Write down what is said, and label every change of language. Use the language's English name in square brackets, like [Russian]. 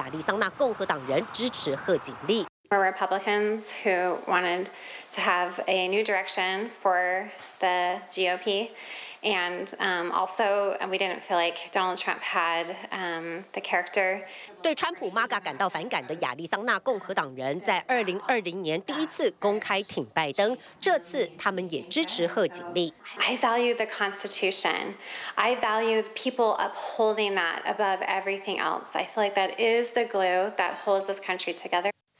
[Chinese] 凤凰城所在的马里科帕郡人口超过450万，是全美第四大郡，而这450万人是整个亚利桑那州62%的人口。也因此，对民主党总统候选人贺锦丽来说，马里科帕郡绝对是亚利桑那州的胜选关键。在凤凰城高速公路上行驶，你很难不注意到T霸上的电子广告。一下是亚利桑那爱川普，没多久，另一个广告是亚利桑那共和党人支持贺锦丽。 [English] For Republicans who wanted to have a new direction for the GOP, and also we didn't feel like Donald Trump had the character. [Chinese] 对川普 MAGA 感到反感的亚利桑那共和党人，在2020年第一次公开挺拜登，这次他们也支持贺锦丽。I [English] value the Constitution. I value people upholding that above everything else. I feel like that is the glue that holds this country together.